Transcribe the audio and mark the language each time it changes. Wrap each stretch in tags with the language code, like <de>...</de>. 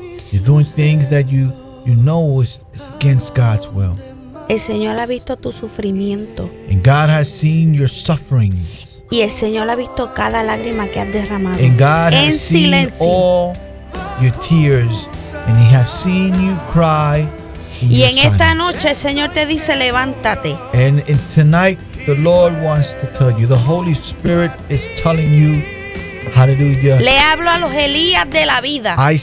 <en>You're doing things that you know is against God's will.</en> <es>El Señor ha visto tu sufrimiento.</es> <en>And God has seen your sufferings.</en> <es>Y el Señor ha visto cada lágrima que has derramado.</es> <en>And God has seen all your tears, and he has seen you cry.</en> <es>Y en esta noche el Señor te dice, levántate.</es> <en>And tonight the Lord wants to tell you, the Holy Spirit is telling you, hallelujah.</en> <es>Le hablo a los Elías de la vida.</es>